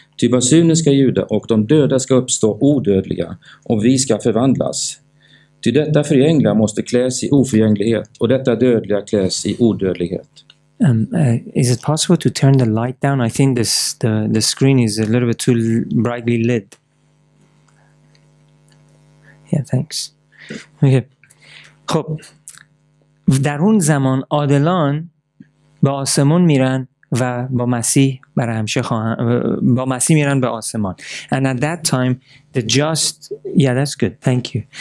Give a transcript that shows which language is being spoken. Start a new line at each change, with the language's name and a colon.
Swedish: Ty basunen ska ljuda och de döda ska uppstå odödliga och vi ska förvandlas. Ty detta förgängliga måste kläs i oförgänglighet och detta dödliga kläs i odödlighet.
English: Is it possible to turn the light down? I think the screen is a little bit too brightly lit. Yeah, thanks. Okay.
Persian: خب, در اون زمان عادلان به آسمان میرن و با مسیح برای همیشه با مسیح میرن به آسمان.
English: And at that time the just, yeah, that's good, thank you.